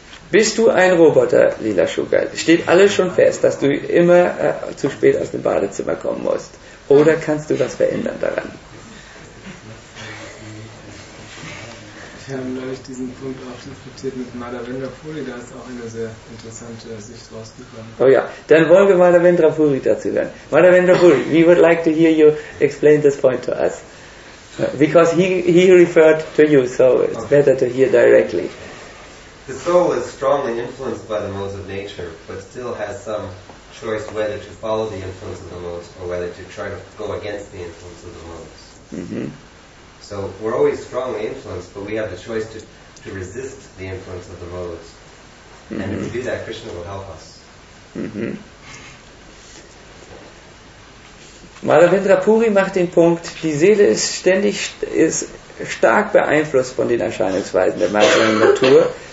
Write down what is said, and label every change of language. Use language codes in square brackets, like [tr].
[de] Bist du ein Roboter, Lila Sugar? Steht alles schon fest, dass du immer zu spät aus dem Badezimmer kommen musst? Oder kannst du was verändern daran? Ich habe neulich diesen Punkt auch diskutiert mit Madhavendra Puri, da ist auch eine sehr interessante Sicht rausgekommen. Oh ja, dann wollen wir Madhavendra Puri dazu hören. [en] Madhavendra Puri, we would like to hear you explain this point to us. Because he referred to you, so it's better to hear directly. The soul is strongly influenced by the modes of nature, but still has some choice whether to follow the influence of the modes or whether to try to go against the influence of the modes. Mm-hmm. So we're always strongly influenced, but we have the choice to resist the influence of the modes. Mm-hmm. And if we do that, Krishna will help us. Mm-hmm. [de] Madhavendra Puri macht den Punkt, die Seele ist ständig stark beeinflusst von den Erscheinungsweisen der materiellen Natur.